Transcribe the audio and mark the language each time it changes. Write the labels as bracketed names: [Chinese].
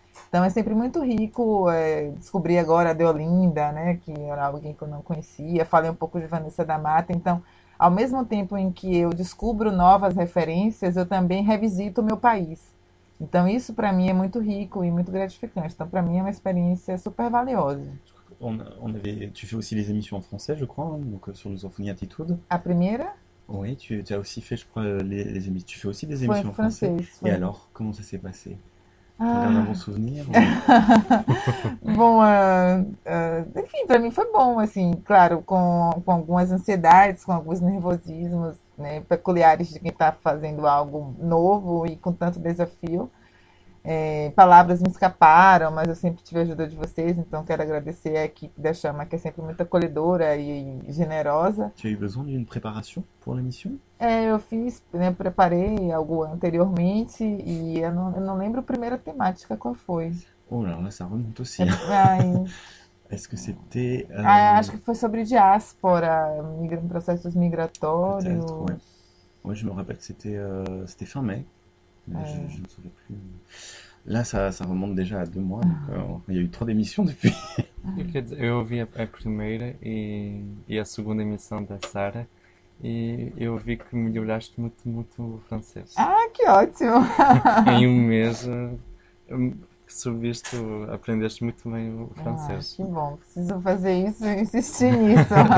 [Portuguese] Então é sempre muito rico descobrir agora a Deolinda, né, que era alguém que eu não conhecia. Falei um pouco de Vanessa da Mata, então... Ao mesmo tempo em que eu descubro novas referências, eu também revisito o meu país. Então, isso para mim é muito rico e muito gratificante. Então, para mim, é uma experiência super valiosa. [French] Tu fez aussi les émissions en français, je crois, donc sur Lusophonie Attitude. [Portuguese] A primeira? [French] Oui, tu as aussi fait, je crois, les émissions. Tu fais aussi des émissions en français. [Portuguese] Foi. [French] Et alors, comment ça s'est passé? [Portuguese] Um bom souvenir? Bom, enfim, para mim foi bom, assim, claro, com algumas ansiedades, com alguns nervosismos, né, peculiares de quem está fazendo algo novo e com tanto desafio. É, palavras me escaparam, mas eu sempre tive a ajuda de vocês, então quero agradecer à equipe da Chama, que é sempre muito acolhedora e generosa. [French] Tu as besoin d'une préparation pour l'émission? [Portuguese] É, eu fiz, né, preparei algo anteriormente e eu não lembro a primeira temática, qual foi. [French] Oh là là, ça remonte [Portuguese] É, [French] aussi. ai, Est-ce que c'était. [Portuguese] acho que foi sobre diáspora, processos migratórios. [French] Peut-être, ouais. Moi, je me rappelle que c'était fin mai, mais je ne me souviens plus. Là, ça remonte déjà à 2 mois, donc il y a eu 3 démissions depuis. [Portuguese] Eu vi a primeira e a segunda emissão da Sara e eu vi que melhoraste muito, muito o francês. Ah, que ótimo! Em um mês, subiste, aprendeste muito bem o Ah, francês. que bom, preciso fazer isso e insistir nisso.